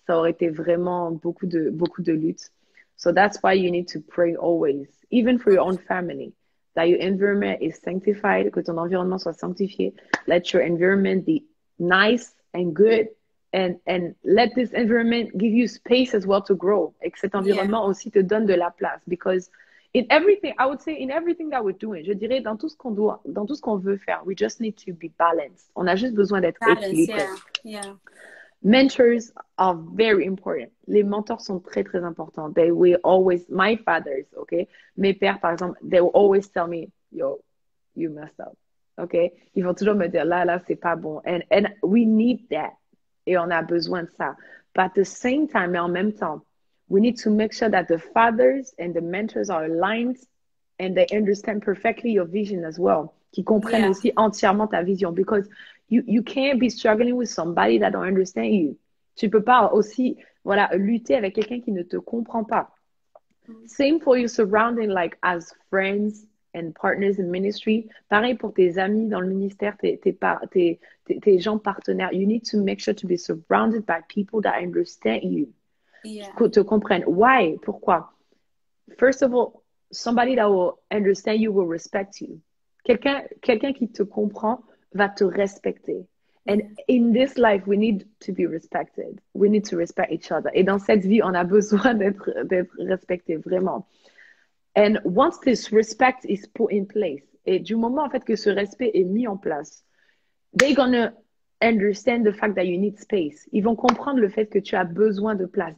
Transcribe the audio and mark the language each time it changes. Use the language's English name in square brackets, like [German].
[French] Ça aurait été vraiment beaucoup de luttes. [English] So that's why you need to pray always, even for your own family, that your environment is sanctified, [French] que ton environnement soit sanctifié. [English] Let your environment be nice and good, and let this environment give you space as well to grow. [French] Et que cet environnement aussi te donne de la place. [English] Because in everything, I would say in everything that we're doing, [French] je dirais dans tout ce qu'on doit, dans tout ce qu'on veut faire, [English] we just need to be balanced. [French] On a juste besoin d'être [English] Balance, [French] équilibré. [English] Mentors are very important. [French] Les mentors sont très très importants. [English] They will always, my fathers, okay, [French] mes pères par exemple, [English] they will always tell me, yo, you messed up. [French] Okay, ils vont toujours me dire, là, là, c'est pas bon. [English] And we need that. [French] Et on a besoin de ça. [English] But at the same time, [French] mais en même temps, [English] we need to make sure that the fathers and the mentors are aligned and they understand perfectly your vision as well. [French] qui comprennent aussi entièrement ta vision. [English] Because you can't be struggling with somebody that don't understand you. [French] Tu peux pas aussi, voilà, lutter avec quelqu'un qui ne te comprend pas. [English] Same for your surrounding, like as friends and partners in ministry. [French] Pareil pour tes amis dans le ministère, tes gens partenaires. [English] You need to make sure to be surrounded by people that understand you. [French] Qui te comprennent. [English] Why? [French] Pourquoi? [English] First of all, somebody that will understand you will respect you. [French] Quelqu'un qui te comprend va te respecter. [English] And in this life, we need to be respected. We need to respect each other. [French] Et dans cette vie, on a besoin d'être respecté, vraiment. [English] And once this respect is put in place, [French] et du moment en fait que ce respect est mis en place, [English] they're gonna understand the fact that you need space. [French] Ils vont comprendre le fait que tu as besoin de place.